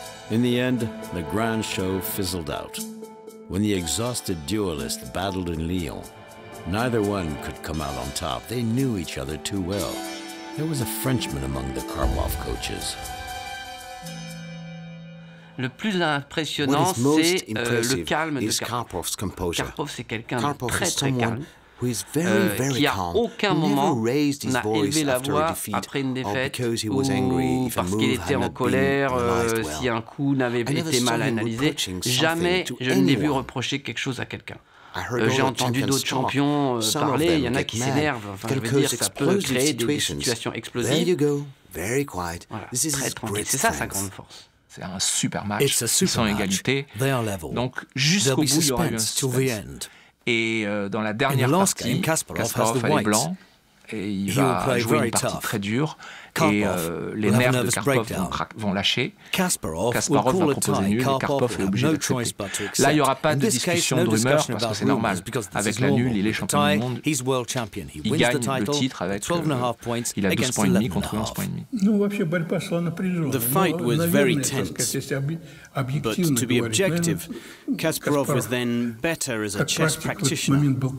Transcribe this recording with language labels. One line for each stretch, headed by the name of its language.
English: In the end, the grand show fizzled out. When the exhausted duelists battled in Lyon, neither one could come out on top. They knew each other too well. There was a Frenchman among the Karpov coaches.
French: Le plus impressionnant, c'est le calme de Karpov. Karpov, c'est quelqu'un de très, très calme, qui à aucun moment n'a élevé la voix après une défaite ou parce qu'il était en colère, si un coup n'avait été mal analysé. Jamais je ne l'ai vu reprocher quelque chose à quelqu'un. J'ai entendu d'autres champions parler, il y en a qui s'énervent. Enfin, je veux dire, ça peut créer des situations explosives. Voilà, très tranquille. C'est ça sa grande force. C'est un super match. Ils sont en égalité. Donc, jusqu'au bout, il y aura eu un suspense. Et dans la dernière partie, Kasparov a les blancs. Et il va jouer une partie très dure. Et les nerfs de Karpov vont lâcher. Kasparov va proposer nul et Karpov est obligé d'accepter. Là, il n'y aura pas de discussion de rumeurs parce que c'est normal. Avec la nulle, il est champion du monde. Il gagne le titre avec il a 12 points et demi contre 11 points et demi.
English: The fight was very tense. But to be objective, Kasparov was then better as a chess practitioner.